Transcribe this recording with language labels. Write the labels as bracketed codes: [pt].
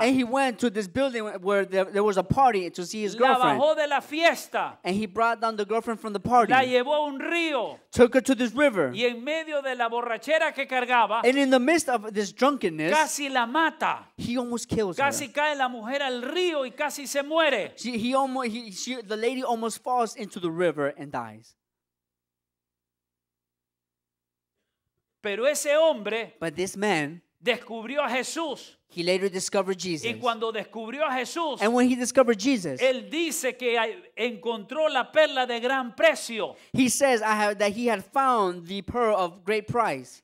[en] and he went to this building where there was a party to see his girlfriend [es] la bajó de la fiesta [en] and he brought down the girlfriend from the party [es] la llevó a un río [en] took her to this river [es] y en medio de la borrachera que cargaba [en] and in the midst of this drunk [es] casi la mata. [en] He almost kills [es] casi [en] her. [es] Cae la mujer al río y casi se muere. [en] The lady almost falls into the river and dies. [es] Pero ese hombre, [en] but this man, [es] descubrió a Jesús. [en] He later discovered Jesus. [es] Y cuando descubrió a Jesús, [en] and when he discovered Jesus, [es] él dice que encontró la perla de gran precio. [en] He says that he had found the pearl of great price.